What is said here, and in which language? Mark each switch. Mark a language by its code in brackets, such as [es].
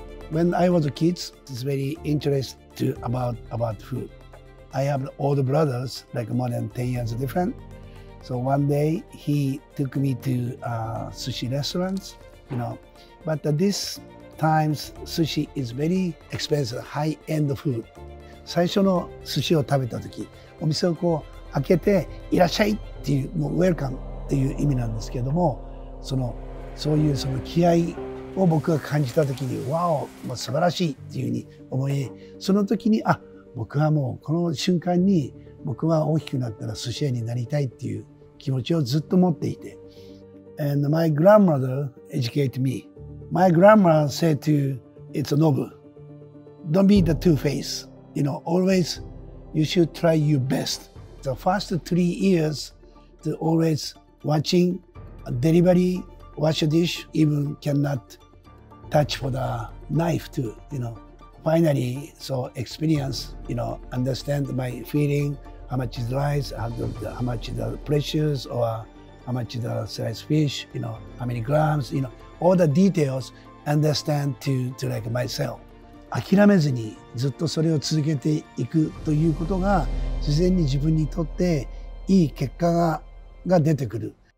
[en] When I was a kid, it's very interesting about food. I have older brothers, like more than 10 years different. So one day he took me to sushi restaurants, you know. But this time sushi is very expensive, high-end food. [ja] 最初の寿司を食べた時、お店をこう開けていらっしゃいっていう、もう welcome っていう意味なんですけども、そういうその気合いを僕が感じた時に、わお、もう素晴らしいっていうふうに思い、その時に、あ、僕はもうこの瞬間に僕は大きくなったら寿司屋になりたいっていう気持ちをずっと持っていて。 [en] And my grandmother educated me. My grandma said to, it's a Nobu. Don't be the two-faced. You know, always you should try your best. The first 3 years, to always watching a delivery,wash a dish, even cannot touch for the knife too, you know. Finally, so experience, you know, understand my feeling, how much is rice, how much is the pressures, or how much is the sliced fish, you know, how many grams, you know, all the details, understand to like myself. [ja] 諦めずにずっとそれを続けていくということが、自然に自分にとっていい結果が出てくる。